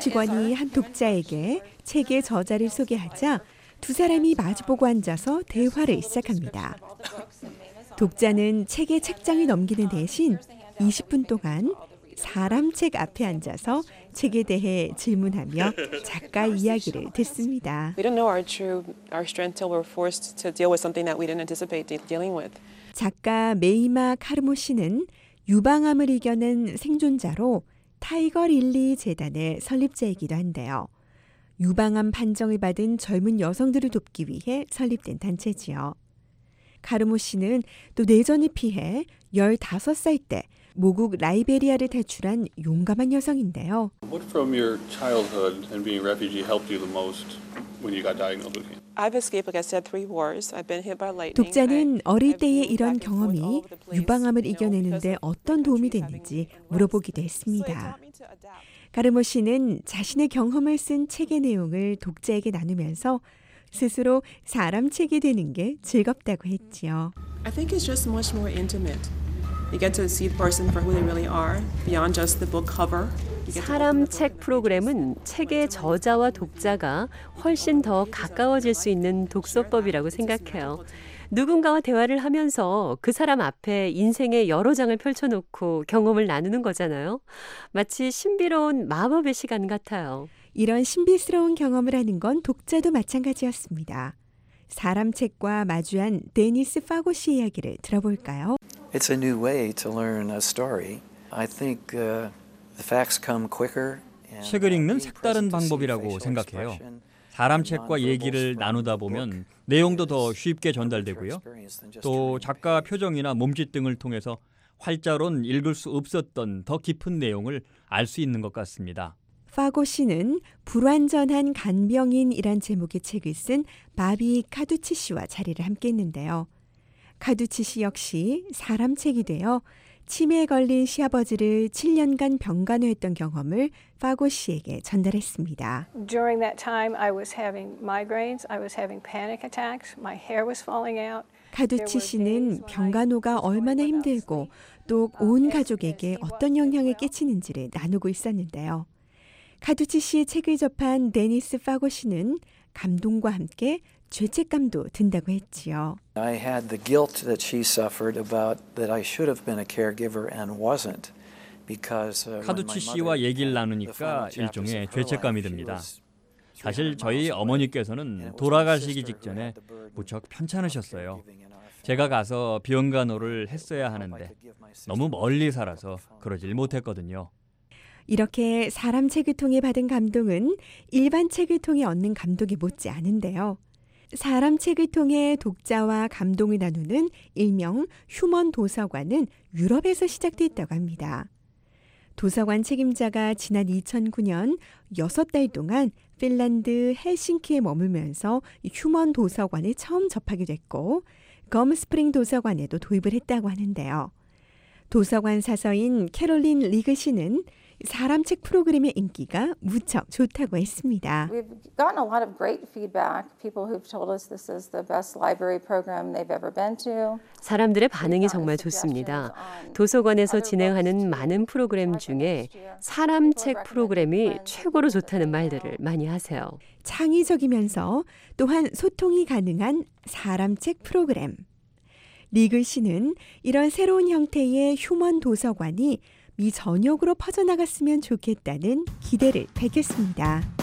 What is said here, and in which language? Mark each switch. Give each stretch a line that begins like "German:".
Korean: 직원이 한 독자에게 책의 저자를 소개하자 두 사람이 마주보고 앉아서 대화를 시작합니다. 독자는 책의 책장을 넘기는 대신 20분 동안 사람 책 앞에 앉아서 책에 대해 질문하며 작가 이야기를 듣습니다.
English: We don't know our true our strength till we're forced to deal with something that we didn't anticipate dealing with.
Korean: 작가 메이마 카르모 씨는 유방암을 이겨낸 생존자로 타이거 릴리 재단의 설립자이기도 한데요. 유방암 판정을 받은 젊은 여성들을 돕기 위해 설립된 단체지요. 카르모 씨는 또 내전을 피해 15살 때 모국 라이베리아를 탈출한 용감한 여성인데요.
English: What from your childhood and being a refugee helped you the most when you got diagnosed with cancer? I've escaped, like I said, three wars. I've been hit by lightning.
Korean: 독자는 어릴 때의 이런 경험이 유방암을 이겨내는데 어떤 도움이 됐는지 물어보기도 했습니다. 카르모 씨는 자신의 경험을 쓴 책의 내용을 독자에게 나누면서 스스로 사람 책이 되는 게 즐겁다고 했지요.
English: I think it's just much more intimate. You get to see the person for who they really are beyond just the book cover.
Korean: 사람 책 프로그램은 책의 저자와 독자가 훨씬 더 가까워질 수 있는 독서법이라고 생각해요. 누군가와 대화를 하면서 그 사람 앞에 인생의 여러 장을 펼쳐놓고 경험을 나누는 거잖아요. 마치 신비로운 마법의 시간 같아요. 이런 신비스러운 경험을 하는 건 독자도 마찬가지였습니다. 사람 책과 마주한 데니스 파고 씨 이야기를 들어볼까요?
English: It's a new way to learn a story. I think the facts come quicker.
Korean: 책을 읽는 색다른 방법이라고 생각해요. 사람 책과 얘기를 나누다 보면 내용도 더 쉽게 전달되고요. 또 작가 표정이나 몸짓 등을 통해서 활자론 읽을 수 없었던 더 깊은 내용을 알 수 있는 것 같습니다. 파고 씨는 불완전한 간병인이란 제목의 책을 쓴 바비 카두치 씨와 자리를 함께 했는데요. 카두치 씨 역시 사람 책이 되어 치매에 걸린 시아버지를 7년간 병간호 했던 경험을 파고 씨에게 전달했습니다.
English: During that time I was having migraines, I was having panic attacks, my hair was falling out.
Korean: 카두치 씨는 병간호가 얼마나 힘들고 또 온 가족에게 어떤 영향을 끼치는지를 나누고 있었는데요. 카두치 씨의 책을 접한 데니스 파고 씨는 감동과 함께 죄책감도 든다고 했지요.
English: I had the guilt that she suffered about that I should have been a caregiver and wasn't because
Korean: 카두치 씨와 얘기를 나누니까 일종의 죄책감이 듭니다. 사실 저희 어머니께서는 돌아가시기 직전에 무척 편찮으셨어요. 제가 가서 병간호를 했어야 하는데 너무 멀리 살아서 그러질 못했거든요. 이렇게 사람 책을 통해 받은 감동은 일반 책을 통해 얻는 감동이 못지 않은데요. 사람 책을 통해 독자와 감동을 나누는 일명 휴먼 도서관은 유럽에서 시작됐다고 합니다. 도서관 책임자가 지난 2009년 6달 동안 핀란드 헬싱키에 머물면서 휴먼 도서관을 처음 접하게 됐고 검스프링 도서관에도 도입을 했다고 하는데요. 도서관 사서인 캐롤린 리그 씨는 사람 책 프로그램의 인기가 무척 좋다고 했습니다.
English: We've gotten a lot of great feedback. People who've told us this is the best library program they've ever been to.
Korean: 사람들의 반응이 정말 좋습니다. 도서관에서 진행하는 많은 프로그램 중에 사람 책 프로그램이 최고로 좋다는 말들을 많이 하세요. 창의적이면서 또한 소통이 가능한 사람 책 프로그램. 리글 씨는 이런 새로운 형태의 휴먼 도서관이 미 전역으로 퍼져나갔으면 좋겠다는 기대를 밝혔습니다.